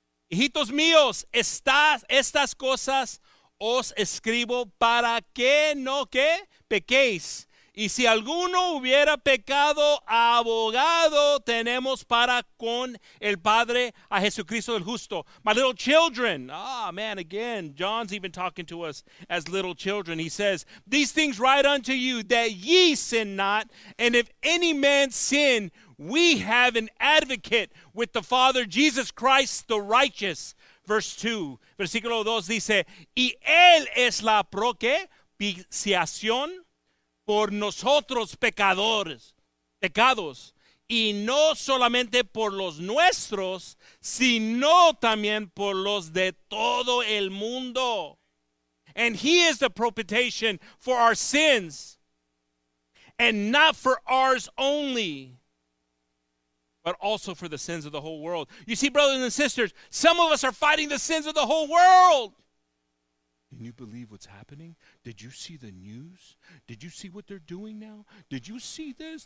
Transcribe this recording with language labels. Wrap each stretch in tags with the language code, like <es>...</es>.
<es>Hijitos míos, estas cosas os escribo para que no que pequéis. Y si alguno hubiera pecado, abogado tenemos para con el Padre a Jesucristo el Justo.</es> <en>My little children. Ah, man, again, John's even talking to us as little children. He says, these things write unto you that ye sin not. And if any man sin, we have an advocate with the Father, Jesus Christ, the righteous. Verse 2,</en> <es>versículo 2 dice, y él es la propiciación por nosotros pecados, y no solamente por los nuestros, sino también por los de todo el mundo.</es> <en>And he is the propitiation for our sins, and not for ours only, but also for the sins of the whole world. You see, brothers and sisters, some of us are fighting the sins of the whole world. Can you believe what's happening? Did you see the news? Did you see what they're doing now? Did you see this?</en>